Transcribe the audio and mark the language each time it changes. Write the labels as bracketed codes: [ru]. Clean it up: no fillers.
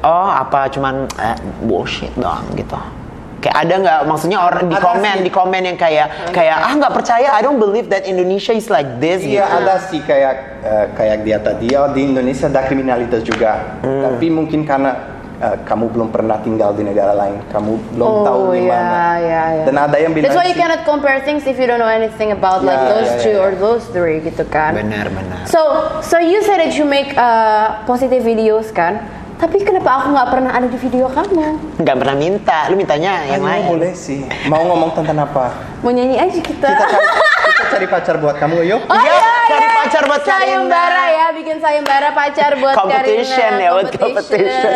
[id] Oh, apa cuman bullshit dong gitu. Kayak ada enggak maksudnya orang ada di komen yang kayak ah enggak percaya, [en] I don't believe that Indonesia is like this. [id] Iya, gitu. Ada sih kayak dia tadi, oh, di Indonesia ada kriminalitas juga. Tapi mungkin karena kamu belum pernah tinggal di negara lain, kamu belum tahu di mana. Dan ada yang bilang [en] that's why you cannot compare things if you don't know anything about those two or those three [id] gitu kan. Benar. [en] So you said that you make positive videos kan? [id] Tapi kenapa aku gak pernah ada di video kamu? Gak pernah minta, lu mintanya yang lain. Boleh sih, mau ngomong tentang apa? Mau nyanyi aja kita. Kita cari pacar buat kamu, yuk. Oh iya, cari pacar buat Karina. Sayembara ya, bikin sayembara pacar buat [en] competition, [id] Karina. Competition ya, buat competition.